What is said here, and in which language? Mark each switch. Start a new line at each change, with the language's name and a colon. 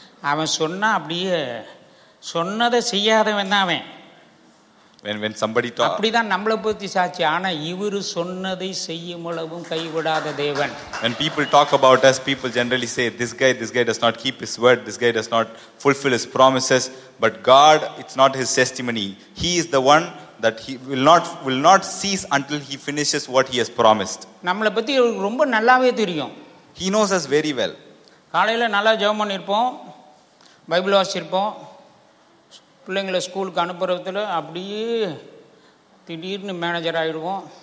Tamil: அவன் சொன்னா அப்படியே சொன்னதை செய்யாதவன் தான் அவன்.
English: When somebody talk.
Tamil: அப்படிதான் நம்மளை பத்தி சாட்சி. ஆனா இவர் சொன்னதை செய்யும் அளவும் கைவிடாத தேவன்.
English: When people talk about us, people generally say this guy does not keep his word, this guy does not fulfill his promises, but God, it's not his testimony. He is the one that he will not cease until he finishes what he has promised.
Tamil: நம்மளை பத்தி ரொம்ப நல்லாவே தெரியும்.
English: He knows us very well.
Tamil: காலையில நல்லா ஜெபம் பண்ணிருப்போம், Bible வாசிச்சிருப்போம், பிள்ளைங்களை ஸ்கூலுக்கு அனுப்புறதுல அப்படியே திடீர்னு மேனேஜர் ஆகிடுவோம்.